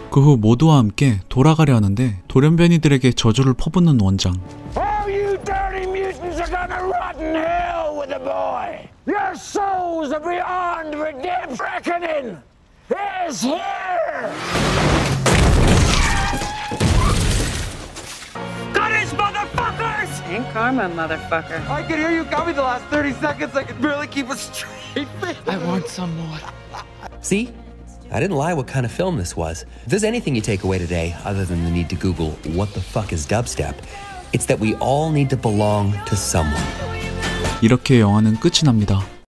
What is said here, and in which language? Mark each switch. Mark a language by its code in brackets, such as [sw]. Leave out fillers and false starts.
[ko] 그 후 모두와 함께 돌아가려 하는데 돌연변이들에게 저주를 퍼붓는 원장. [en] All you dirty mutants are gonna rot in hell with the boy. Your souls are beyond redemption. Reckoning is here. Ain't karma, motherfucker. I could hear you coming the last 30 seconds. I could barely keep a straight face. I want some more. See? I didn't lie what kind of film this was. If there's anything you take away today, other than the need to Google what the fuck is dubstep, it's that we all need to belong to someone. [ko] 이렇게 영화는 끝이 납니다.